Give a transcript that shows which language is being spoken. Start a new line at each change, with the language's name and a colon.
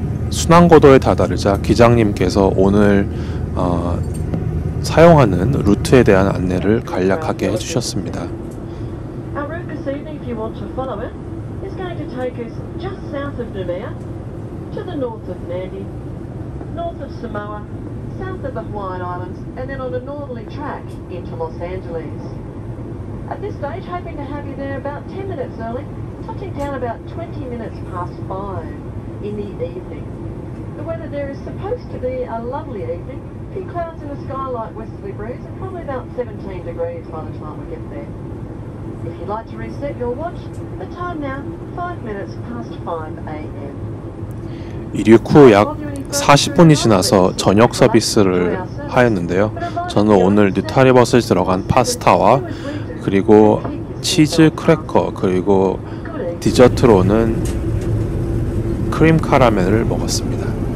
Korean: 순환고도에 다다르자 기장님께서 오늘 사용하는 루트에 대한 안내를 간략하게 해주셨습니다.
English: Our route this evening, if you want to follow it, is going to take us just south of Numea, to the north of Nandi, north of Samoa, south of the Hawaiian Islands, and then on a northerly track into Los Angeles. At this stage, hoping to have you there about 10 minutes early, touching down about 20 minutes past 5 in the evening. The weather there is supposed to be a lovely evening, a few clouds in the sky, light westerly breeze, and probably about 17 degrees by the time we get there. If you'd like to reset your watch, the time now, 5 minutes past 5 a.m.
Korean: 이륙 후 약 40분이 지나서 저녁 서비스를 하였는데요. 저는 오늘 뉴타리버스에 들어간 파스타와 그리고 치즈 크래커 그리고 디저트로는 크림 카라멜을 먹었습니다.